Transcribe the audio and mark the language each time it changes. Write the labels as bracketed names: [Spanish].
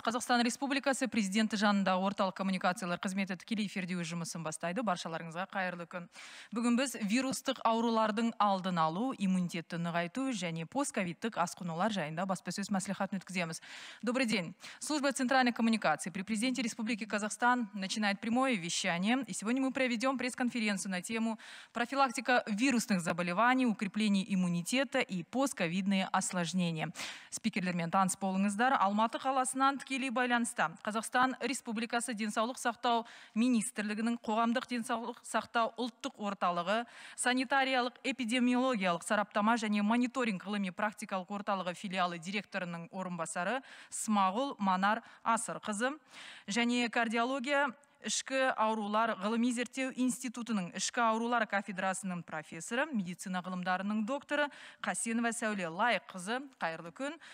[Kazakh] Қазақстан Республикасы президенті жанындағы орталық коммуникациялар қызметі тікелей эфирде өз жұмысын бастайды. Баршаларыңызға қайырлы күн. Бүгін біз вирустық аурулардың алдын алу, иммунитетті нығайту және постковидтік асқынулар жайында баспасөз мәслихатын өткіземіз. [Russian] Добрый день. Служба центральной коммуникации при президенте Республики Казахстан начинает прямое вещание. И сегодня мы проведем пресс-конференцию на тему «Профилактика вирусных заболеваний, укрепление иммунитета и постковидные осложнения». [Kazakh] Спикер Лермен Алматы қаласынан тікелей байланыста. Қазақстан Республикасы денсаулық сақтау министрлігінің қоғамдық денсаулық сақтау ұлттық орталығы, санитариялық-эпидемиологиялық сараптама және мониторинг ғылыми практикалық орталығы филиалы директорының орынбасары Смағұл Манар Асырқызы және кардиология ішкі аурулар ғылыми зерттеу институтының ішкі аурулар кафедрасының профессоры, медицина ғылымдарының докторы Қасенова Сәуле Лайыққызы, қайырлы күн.